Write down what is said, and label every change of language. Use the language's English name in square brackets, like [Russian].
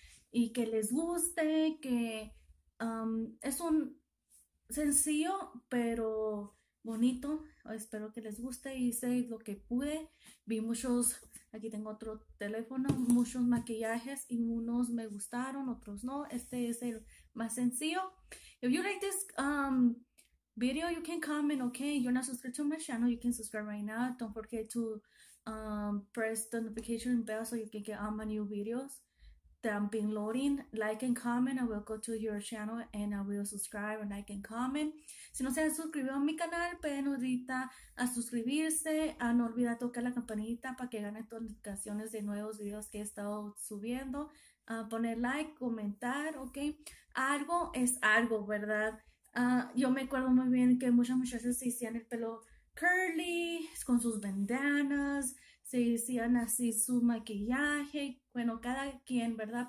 [Spanish] Y que les guste, que es un sencillo, pero bonito. Espero que les guste. Hice lo que pude. Vi muchos, aquí tengo otro teléfono, muchos maquillajes y unos me gustaron, otros no. Este es el más sencillo. [English] If you like this, video, you can comment, okay? You're not subscribed to my channel, you can subscribe right now. Don't forget to press the notification bell so you can get all my new videos that I'm been loading. Like and comment, I will go to your channel and I will subscribe and like and comment. [Spanish] Si no se han suscrito a mi canal, pueden ahorita a suscribirse, a no olvidar tocar la campanita para que ganen todas las notificaciones de nuevos videos que he estado subiendo. Poner like, comentar, okay? Algo es algo, ¿verdad? Yo me acuerdo muy bien que muchas muchachas se hacían el pelo curly, con sus bandanas, se hacían así su maquillaje, bueno, cada quien, ¿verdad?